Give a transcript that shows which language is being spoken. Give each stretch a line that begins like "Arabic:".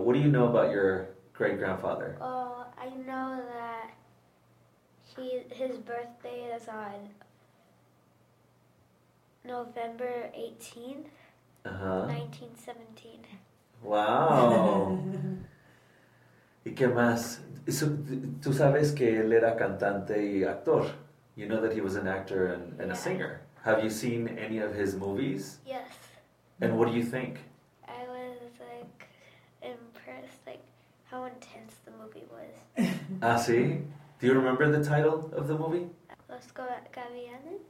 English: What do you know about your great-grandfather? I know that his birthday is on November 18th,
Spanish: 1917. Wow. ¿Y qué más? Tú sabes que él era cantante y actor.
English: You know that he was an actor and a singer. Have you seen any of his movies? Yes. And what do you think? I was impressed, how intense the movie was.
Spanish: Ah, sí?
English: Do you remember the title of the movie?
Spanish: Los Gavilanes.